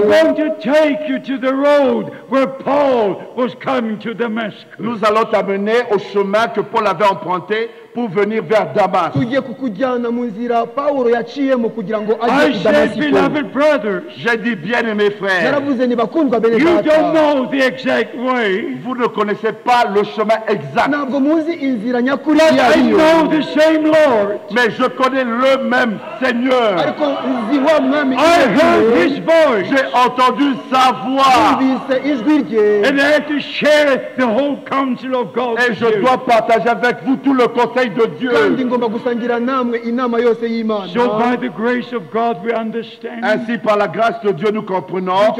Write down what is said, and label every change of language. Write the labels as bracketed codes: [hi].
[en] going to take you to the road where Paul was coming to Damascus. [fr] Nous allons t'amener au chemin que Paul avait emprunté pour venir vers Damas. [en] I said, beloved brothers, [fr] j'ai dit bien mes frères, [en] you don't know the exact way. [fr] Vous ne connaissez pas le chemin exact. [en] But I know the same Lord. [fr] Mais je connais le même Seigneur. [en] I heard his voice. [fr] J'ai entendu sa voix. [en] And I had to share the whole counsel of God. [fr] Et je dois partager avec vous tout le conseil de Dieu. [en] So by the grace of God we understand. [fr] Ainsi par la grâce de Dieu nous comprenons.